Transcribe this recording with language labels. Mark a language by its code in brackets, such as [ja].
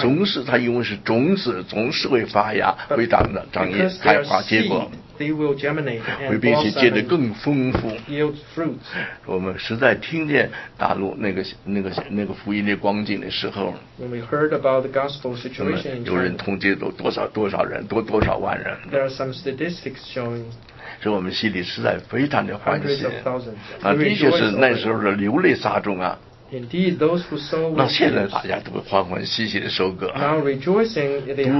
[zh] 总是它因为是种子，总是会发芽、会长的、长叶、开花、结果， [en] they will germinate and blossom, [zh] 会并且结得更丰富。 [en] Yield fruit. [zh] 我们实在听见大陆那个福音的光景的时候， [en] when we heard about the gospel situation in China, [zh] 有人统计都多少多少人，多多少万人。 [en] There are some statistics showing. [zh] 所以我们心里实在非常的欢喜啊，的确是那时候的流泪撒种啊。 [en] Indeed, those who sow. [zh] 那现在大家都欢欢喜喜的收割。 [en] Now rejoicing in the harvest.